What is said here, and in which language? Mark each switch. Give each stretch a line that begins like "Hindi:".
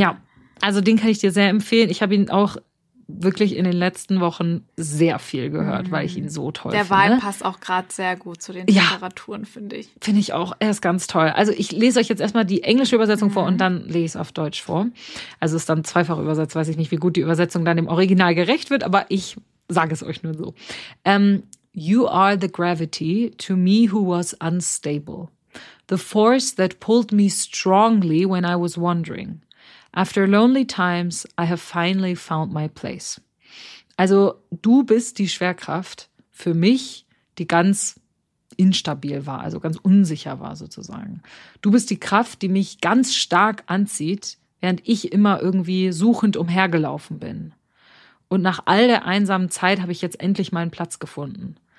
German: Ja, also den kann ich dir sehr empfehlen. Ich habe ihn auch wirklich in den letzten Wochen sehr viel gehört, weil ich ihn so toll finde. Der Vibe passt auch gerade sehr gut zu den Temperaturen, finde ich. Finde ich auch. Er ist ganz toll. Also ich lese euch jetzt erstmal die englische Übersetzung vor und dann lese ich es auf Deutsch vor. Also es ist dann zweifach übersetzt. Weiß ich nicht, wie gut die Übersetzung dann dem Original gerecht wird, aber ich sage es euch nur so.
English: You are the gravity to me who was unstable. The force that pulled me strongly when I was wandering. After lonely times, I have finally found my place.
German: Also, du bist die Schwerkraft für mich, die ganz instabil war, also ganz unsicher war sozusagen. Du bist die Kraft, die mich ganz stark anzieht, während ich immer irgendwie suchend umhergelaufen bin. Und nach all der einsamen Zeit habe ich jetzt endlich meinen Platz gefunden.